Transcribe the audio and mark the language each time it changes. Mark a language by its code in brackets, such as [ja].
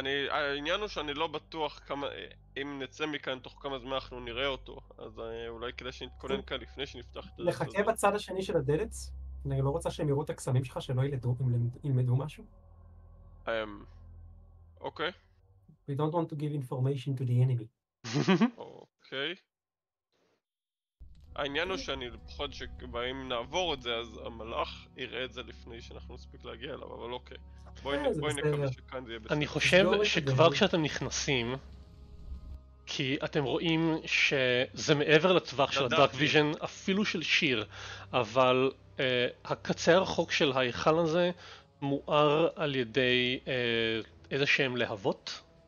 [he] העניין הוא שאני לא בטוח כמה... אם נצא מכאן תוך כמה זמן אנחנו נראה אותו, אז אולי כדי שנתכונן כאן לפני שנפתח את הדלת. לחכה בצד השני של הדלת? אני לא רוצה שהם יראו את הקסמים שלך, שלא ילמדו משהו? אוקיי. [en] We don't want to give information to the enemy. [he] אוקיי. העניין הוא שאני פחות שבאים נעבור את זה, אז המלאך יראה את זה לפני שאנחנו נספיק להגיע אליו, אבל אוקיי. בואי נקווה שכאן זה יהיה בסדר. אני חושב שכבר כשאתם נכנסים, כי אתם רואים שזה מעבר לטווח של הדארק ויז'ן, אפילו של שיר, אבל הקצה הרחוק של ההיכל הזה מואר על ידי איזה שהם להבות.